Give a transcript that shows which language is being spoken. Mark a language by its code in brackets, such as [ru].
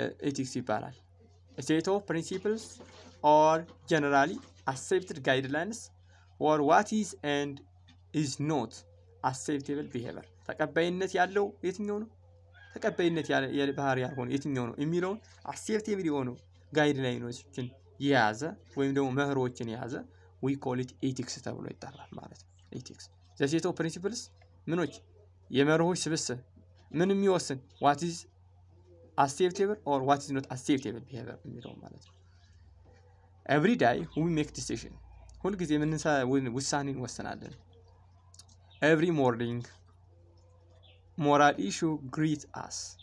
[am] ኤቲክስ ይባላል። [en] A set of principles or generally accepted guidelines for what is and is not acceptable behavior. [am] ተቀባይነት ያለው የትኛው ነው? ተቀባይነት ያለ ባህሪ ያልሆነ የትኛው ነው? የሚለውን acceptable የሆነ guidelines-ን የያዘ ወይም ደግሞ መርሆችን የያዘ [en] we call it ethics [am] ተብሎ ይጠራል ማለት ነው። Ethics. [en] The set of principles [am] ምኖች? የመርሆች ስብስብ። ምን የሚወስን? [en] What is acceptable or what is not acceptable behavior [am] የሚለው ማለት ነው። [en] Every day we make decision. [am] ሁል ጊዜ ምን ውሳኔን ወስናለን? [en] Every morning moral issue greet us.